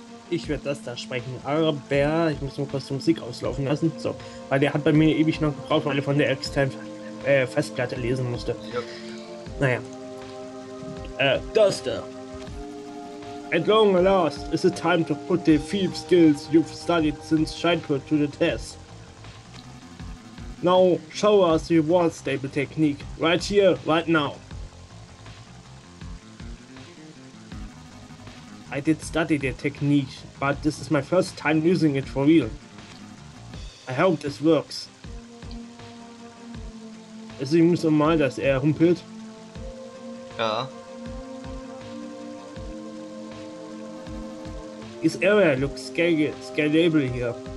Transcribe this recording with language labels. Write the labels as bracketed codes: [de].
[de] Ich werde das da sprechen. Aber ich muss nur kurz die Musik auslaufen lassen. So, weil der hat bei mir ewig noch gebraucht, weil er von der externen Festplatte lesen musste. Ja. Naja. Das da. [en] At long last, is it time to put the few skills you've studied since childhood to the test. Now, show us your wall staple technique, right here, right now. I did study the technique, but this is my first time using it for real. I hope this works. [de] Es ist ihm so mal, dass er humpelt. Ja. [en] This area looks scalable here.